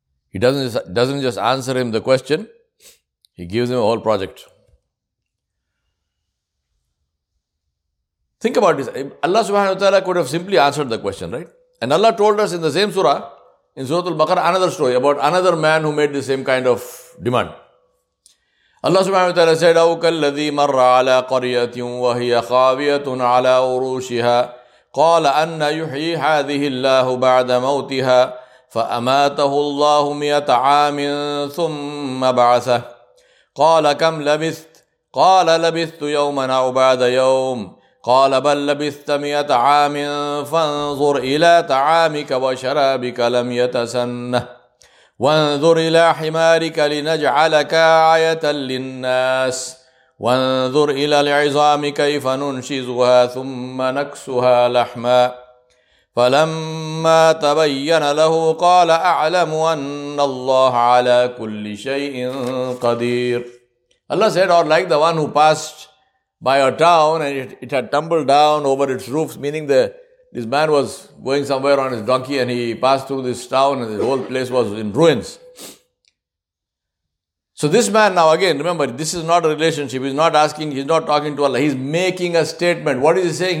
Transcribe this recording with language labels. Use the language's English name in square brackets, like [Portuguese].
[English] He doesn't just answer him the question, he gives him a whole project. Think about this. Allah subhanahu wa ta'ala could have simply answered the question, right? And Allah told us in the same surah, in Surah Al-Baqarah, another story about another man who made the same kind of demand. Allah subhanahu wa ta'ala said, [Arabic] أَوْ كَالَّذِي مَرَّ عَلَىٰ قَرْيَةٍ وَهِيَ خَاوِيَةٌ عَلَىٰ عُرُوشِهَا قَالَ أَنَّ يُحْيِي هَذِهِ اللَّهُ بَعْدَ مَوْتِهَا فَأَمَاتَهُ اللَّهُ مِئَةَ عَامٍ ثُمَّ بَعَثَهُ قَالَ كَمْ لَبِثْتُ قَالَ لَبِثْتُ يَوْمًا أَوْ بَعْدَ يَوْمٍ قال بل لبثت 100 عام فانظر إلى طعامك وشرابك لم يتسنه وانظر إلى حمارك لنجعلك آية للناس وانظر إلى العظام كيف ننشزها ثم نكسها لحما فلما تبين له قال أعلم أن الله على كل شيء قدير. [English] Allah said, or like the one who passed by a town and it had tumbled down over its roofs, meaning this man was going somewhere on his donkey and he passed through this town and the whole place was in ruins. So this man, now again, remember, this is not a relationship. He's not asking, he's not talking to Allah. He's making a statement. What is he saying?